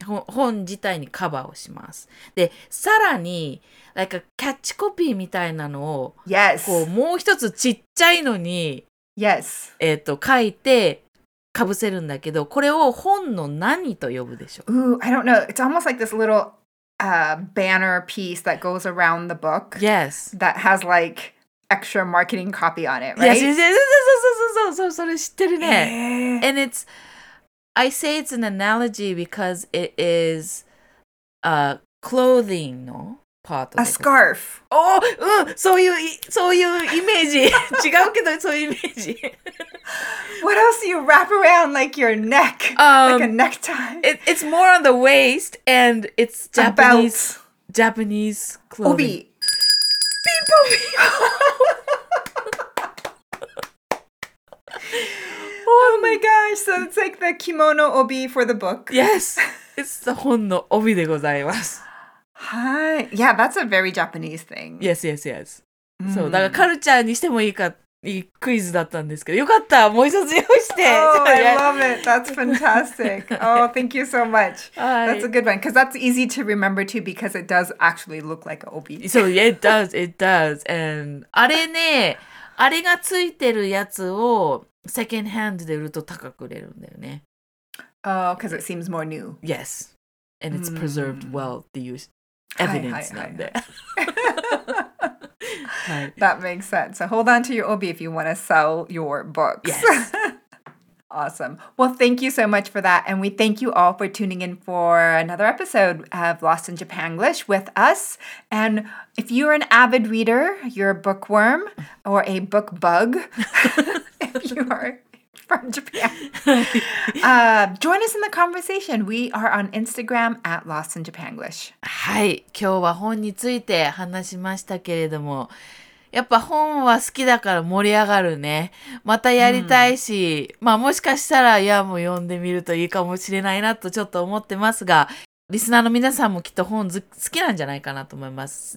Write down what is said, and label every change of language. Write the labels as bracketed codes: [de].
[ja] 本自体にカバーをします。で、さらに、 [en] like a [ja] キャッチコピーみたいなのを、 [en] yes. [ja] こうもう一つちっちゃいのに、 [en] yes. [ja] 書いて、かぶせるんだけど、これを本の何と呼ぶでしょ [en] う?Ooh, I don't know. It's almost like this little, banner piece that goes around the book. Yes. That has like... extra marketing copy on it, right? Yes, yes, yes, yes, yes, yes, yes, yes, yes, yes, yes. And it's, I say it's an analogy because it is a clothing no part. A scarf. [ja] Oh, そういうイメージ。違うけど、そういうイメージ。 [en] What else do you wrap around like your neck, like a necktie? It's more on the waist and it's Japanese, Japanese clothing. Obi. Oh my gosh! So it's like the kimono obi for the book. Yes, it's the [ja] 本の帯でございます。 [en] はい。Yeah, that's a very Japanese thing. Yes, yes, yes. [ja] So, だからカルチャーにしてもいいか、いいクイズだったんですけど、よかった。もう一つ用意して。 [en] Oh, I love it. That's fantastic. Oh, thank you so much. That's a good one. Because that's easy to remember too, because it does actually look like an obi. So, it does, it does. [ja] And, あれね、あれがついてるやつを、セカンドハンドで売ると高く売れるんだよね。 [en] Oh, because it seems more new. Yes. And it's preserved well, the use evidence なんで。 That makes sense. So hold on to your obi if you want to sell your books. Yes. Awesome. Well, thank you so much for that. And we thank you all for tuning in for another episode of Lost in Japanglish with us. And if you're an avid reader, you're a bookworm or a book bug, if you are from Japan, join us in the conversation. We are on Instagram at Lost in Japanglish. [ja] はい、今日は本について話しましたけれども、やっぱ本は好きだから盛り上がるね。またやりたいし、まあもしかしたらいやも読んでみるといいかもしれないなとちょっと思ってますが、リスナーの皆さんもきっと本好きなんじゃないかなと思います。